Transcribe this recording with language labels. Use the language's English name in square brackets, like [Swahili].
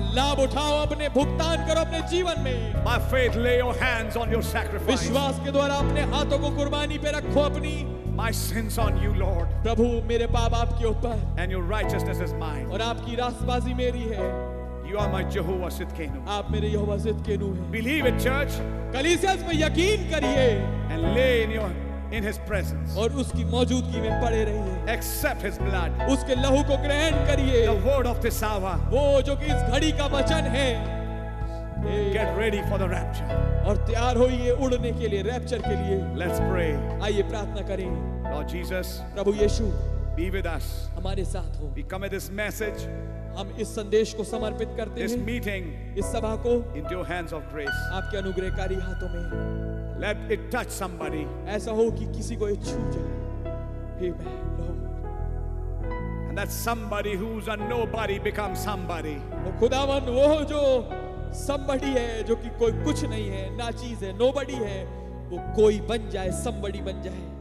[English] Lay your hands on your sacrifice. [Hindi] विश्वास के द्वारा अपने हाथों को कुर्बानी पे रखो अपनी. [English] my sins on you, Lord. [Hindi] प्रभु मेरे पाप आपके ऊपर. [English] And your righteousness is mine. [Hindi] और आपकी रास्तबाजी मेरी है. [English] You are my Jehovah Sitkenu. [Hindi] आप मेरे यहोवा सिदकेनु हैं. [English] Believe it, church. [Hindi] कलीसिया में यकीन करिए. [English] And lay in His presence. [Hindi] और उसकी मौजूदगी में पड़े रहिए. [English] Accept His blood. [Hindi] उसके लहू को ग्रहण करिए. [English] The word of this hour. [Hindi] वो जो कि इस घड़ी का वचन है. [English] Get ready for the rapture. [Hindi] और तैयार होइए उड़ने के लिए रैप्चर के लिए. [English] Let's pray. [Hindi] आइए प्रार्थना करें. [English] Lord Jesus. [Hindi] Prabhu Yeshu. [English] Be with us. [Hindi] हमारे साथ हो. [English] We commit this message. [Hindi] हम इस संदेश को समर्पित करते हैं. [English] This meeting. [Hindi] इस सभा को. [English] Into your hands of grace. [Hindi] आपके अनुग्रहकारी हाथों में. [English] Let it touch somebody. [Hindi] ऐसा हो कि किसी को ये छू जाए. [English] Amen, Lord. And that somebody who's a nobody becomes somebody. [Hindi] वो खुदावन वो जो somebody है जो कि कोई कुछ नहीं है ना चीज है nobody है वो कोई बन जाए somebody बन जाए.